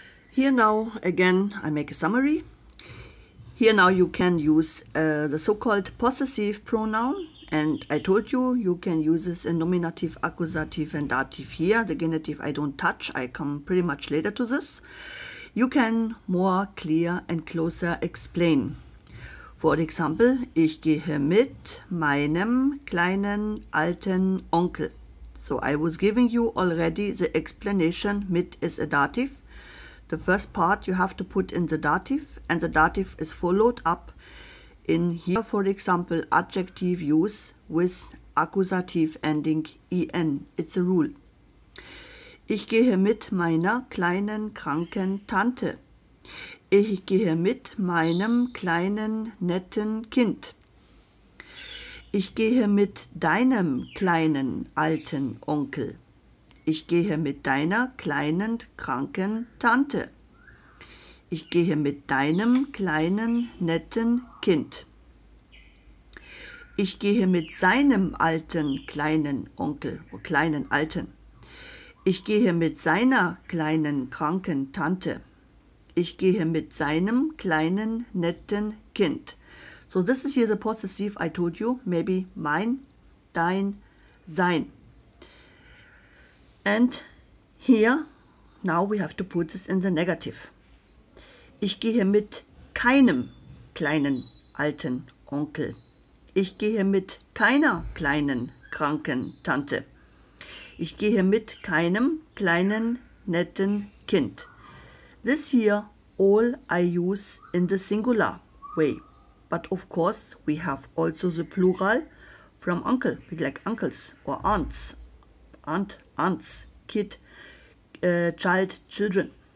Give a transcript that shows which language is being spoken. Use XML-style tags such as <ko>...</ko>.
<en>Here now, again, I make a summary. Here now you can use the so-called possessive pronoun. And I told you, you can use this in nominative, accusative and dative here. The genitive I don't touch, I come pretty much later to this. You can more clear and closer explain.</en> <de>For example, ich gehe mit meinem kleinen alten Onkel.</de> <en>So I was giving you already the explanation, mit is a dative. The first part you have to put in the dative, and the dative is followed up in here, for example, adjective use with accusative ending en. It's a rule.</en> <de>Ich gehe mit meiner kleinen kranken Tante. Ich gehe mit meinem kleinen netten Kind. Ich gehe mit deinem kleinen alten Onkel. Ich gehe mit deiner kleinen kranken Tante. Ich gehe mit deinem kleinen netten Kind. Ich gehe mit seinem alten kleinen Onkel, kleinen alten. Ich gehe mit seiner kleinen kranken Tante. Ich gehe mit seinem kleinen netten Kind.</de> <en>So this is here the possessive I told you, maybe mein, dein, sein. And here, now we have to put this in the negative.</en> <de>Ich gehe mit keinem kleinen alten Onkel. Ich gehe mit keiner kleinen kranken Tante. Ich gehe mit keinem kleinen netten Kind.</de> <en>This here, all I use in the singular way. But of course, we have also the plural from uncle, with like uncles or aunts. Aunt, aunts, kid, child, children.</en>